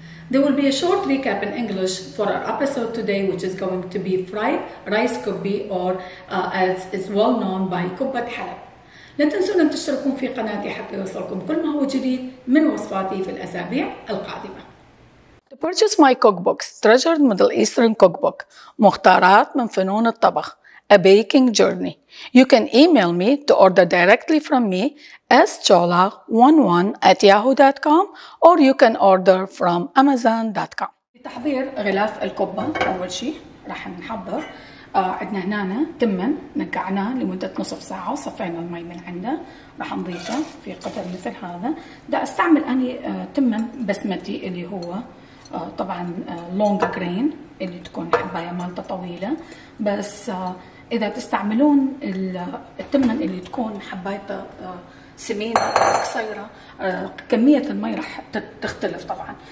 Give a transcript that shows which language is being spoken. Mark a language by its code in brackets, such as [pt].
[en] There will be a short recap in English for our episode today, which is going to be fried rice kubbi or as is well known by kubbat halab. [ar] لا تنسون أن تشتركون في قناتي حتى يوصلكم كل ما هو جديد من وصفاتي في الأسابيع القادمة. [en] To purchase my cookbooks, Treasured Middle Eastern Cookbook, [ar] مختارات من فنون الطبخ, [en] A Baking Journey, you can email me to order directly from me schola11@yahoo.com or you can order from amazon.com. [ar] لتحضير غلاف الكبة أول شيء راح نحضر عندنا هنا تمن نقعناه لمدة نصف ساعة وصفينا المي من عنده راح نضيفه في قدر مثل هذا. ده استعمل أني تمن بسمتي اللي هو طبعا لونج جرين اللي تكون حباية مالته طويلة، بس إذا تستعملون التمن اللي تكون حبايته سمينة قصيرة كمية المي راح تختلف طبعا.